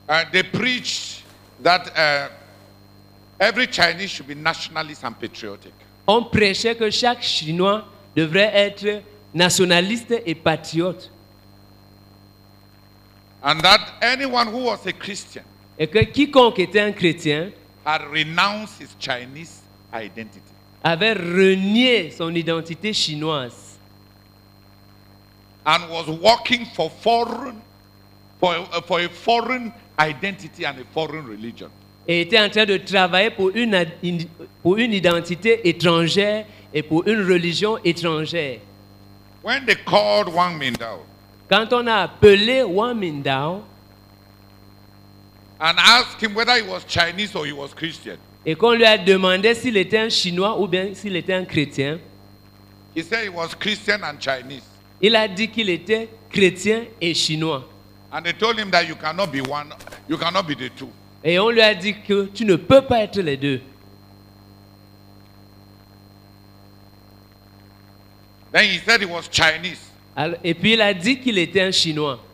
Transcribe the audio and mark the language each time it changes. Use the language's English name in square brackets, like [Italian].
[English] They preached that every Chinese should be nationalist and patriotic. [French] On prêchait que chaque Chinois devrait être nationaliste et patriote. [English] And that anyone who was a Christian, [French] et que quiconque était un chrétien, [English] had renounced his Chinese identity, [French] avait renié son identité chinoise, [English] and was working for a foreign identity and a foreign religion. [French] Et était en train de travailler pour une identité étrangère et pour une religion étrangère. [English] When they called Wang Mingdao, [French] quand on a appelé Wang Mingdao, [English] and asked him whether he was Chinese or he was Christian, [French] et qu'on lui a demandé s'il était un Chinois ou bien s'il était un chrétien, [English] he said he was Christian and Chinese. [French] Il a dit qu'il était chrétien et chinois. [English] And they told him that you cannot be one, you cannot be the two. [French] Et on lui a dit que tu ne peux pas être les deux. [English] Then he said he was Chinese. [French] Alors, et puis il a dit qu'il était un Chinois.